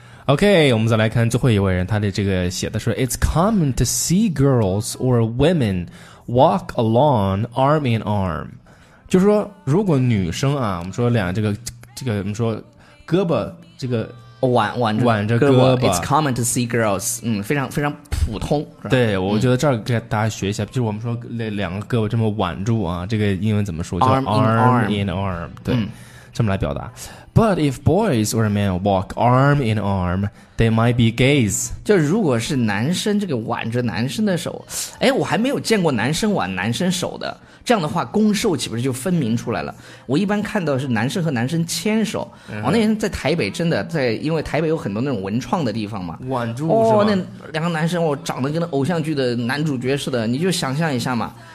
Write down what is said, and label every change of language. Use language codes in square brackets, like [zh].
[zh] OK， 我们再来看最后一位人，他的这个写的说 [en] It's common to see girls or women walk along arm in arm， [zh] 就是说如果女生啊，我们说两这个我们说胳膊这个挽着胳膊， [en] It's common to see girls， [zh] 嗯，非常非常普通。对，我觉得这儿给大家学一下，就是我们说两个胳膊这么挽住啊，这个英文怎么说，叫 [en] arm in arm [zh] 对，这么来表达。 [en] But if boys or men walk arm in arm, they might be gays. [zh] 就如果是男生这个挽着男生的手，哎，我还没有见过男生挽男生手的。这样的话，攻受岂不是就分明出来了？我一般看到是男生和男生牵手。我、那天在台北，真的在，因为台北有很多那种文创的地方嘛，挽住哦，那两个男生，我长得跟偶像剧的男主角似的，你就想象一下嘛。